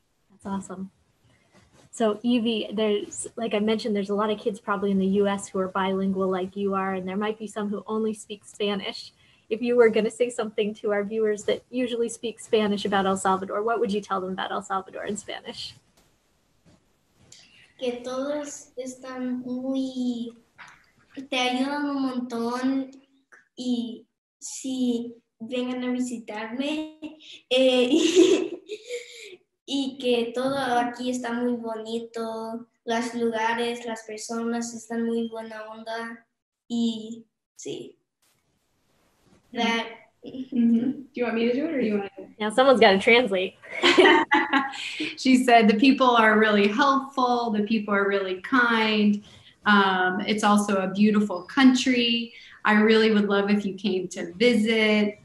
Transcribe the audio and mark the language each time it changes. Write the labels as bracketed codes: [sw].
[en] That's awesome. So Evie, there's, like I mentioned, there's a lot of kids probably in the U.S. who are bilingual like you are, and there might be some who only speak Spanish. If you were going to say something to our viewers that usually speak Spanish about El Salvador, what would you tell them about El Salvador in Spanish? [es] Que todos están muy, te ayudan un montón, y si vengan a visitarme, y que todo aquí está muy bonito, los lugares, las personas están muy buena onda, y sí. [en] That. Mm-hmm. Do you want me to do it, or do you want to? Now someone's got to translate. She said the people are really helpful, the people are really kind. It's also a beautiful country. I really would love if you came to visit.